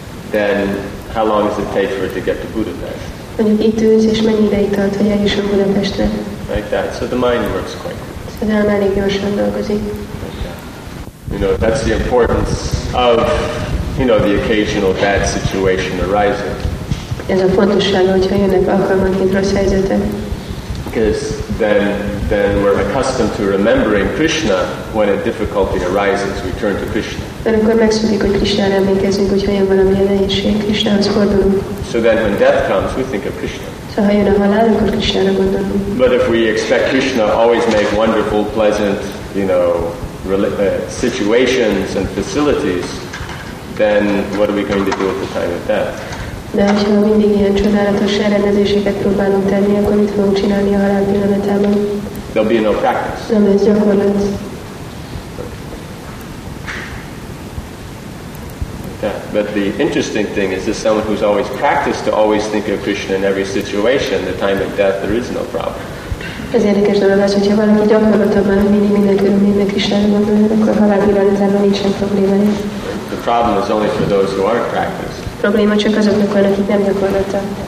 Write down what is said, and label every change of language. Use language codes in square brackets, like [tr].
[en] Then how long does it take for it to get to Budapest? [hu] Mondjuk itt ülsz, és mennyi ideig tart, hogy eljusson Budapestre? [en] Like that. So the mind works quite quickly. [hu] Szóval nem elég gyorsan dolgozik. [en] You know, that's the importance of, you know, the occasional bad situation arising. [hu] Ez a fontosság, hogyha jönnek alkalmanként rossz helyzetek. [en] Because then we're accustomed to remembering Krishna when a difficulty arises, we turn to Krishna. [hu] Mert akkor megszokjuk, hogy Krishnára emlékezünk, hogyha jön valami nehézség, Krishnához fordulunk. [en] So then when death comes, we think of Krishna. [hu] Szóval ha jön a halál, akkor Krishnára gondolunk. [en] But if we expect Krishna always make wonderful, pleasant, you know, situations and facilities, then what are we going to do at the time of death? [hu] De ha mindig ilyen csodálatos rendezéseket próbálunk tenni, akkor mit fogunk csinálni a halál pillanatában? [en] There'll be no practice. [hu] Nem lesz gyakorlat. [en] But the interesting thing is, as someone who's always practiced to always think of Krishna in every situation, the time of death, there is no problem. [hu] Ez érdekes dolog az, hogyha valaki gyakorlatilag mindig minden körülményben Krishnára gondol, akkor halál pillanatában nincsen probléma. [en] The problem is only for those who aren't practiced. [hu] Probléma csak azoknak van, akik nem gyakorlottak.